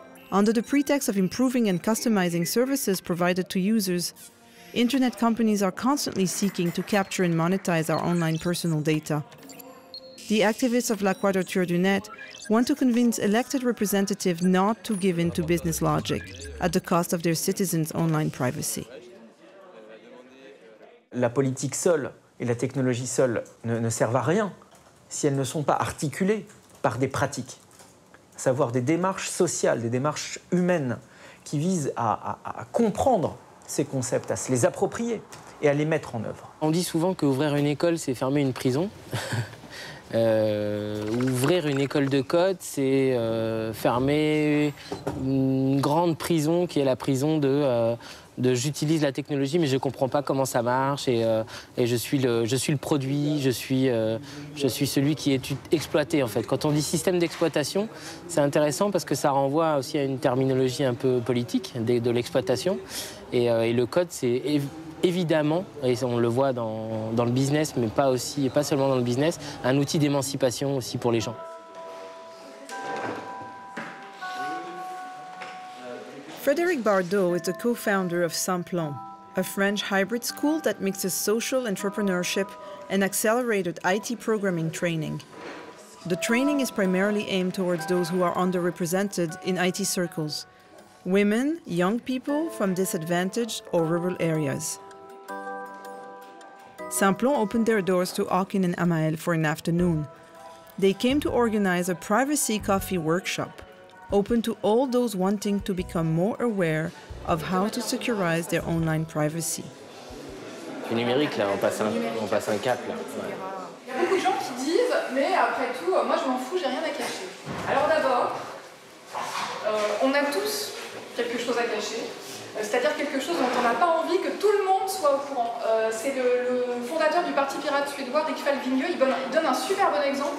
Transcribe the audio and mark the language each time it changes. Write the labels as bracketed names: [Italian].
[English] Under the pretext of improving and customizing services provided to users, internet companies are constantly seeking to capture and monetize our online personal data. The activists of La Quadrature du Net want to convince elected representatives not to give in to business logic at the cost of their citizens' online privacy. [French] La politique seule et la technologie seule ne servent à rien si elles ne sont pas articulées par des pratiques. Savoir des démarches sociales, des démarches humaines, qui vise à comprendre ces concepts, à se les approprier et à les mettre en œuvre. On dit souvent qu'ouvrir une école, c'est fermer une prison. Ouvrir une école de code, c'est fermer une grande prison qui est la prison de j'utilise la technologie, mais je ne comprends pas comment ça marche et je suis le produit, je suis celui qui est exploité en fait. Quand on dit système d'exploitation, c'est intéressant parce que ça renvoie aussi à une terminologie un peu politique de l'exploitation et le code, c'est évidemment, et on le voit dans le business, mais pas seulement dans le business, un outil d'émancipation aussi pour les gens. [English] Frédéric Bardot is the co-founder of Simplon, a French hybrid school that mixes social entrepreneurship and accelerated IT programming training. The training is primarily aimed towards those who are underrepresented in IT circles: women, young people from disadvantaged or rural areas. Simplon opened their doors to Akin and Amael for an afternoon. They came to organize a privacy coffee workshop, open to all those wanting to become more aware of how to securize their online privacy. [French] Du numérique, là, on passe un cap, là. Il y a beaucoup de gens qui disent, mais après tout, moi je m'en fous, j'ai rien à cacher. Alors d'abord, on a tous quelque chose à cacher. C'est-à-dire quelque chose dont on n'a pas envie que tout le monde soit au courant. C'est le fondateur du parti pirate suédois, Rickfell Vigneux, il donne un super bon exemple.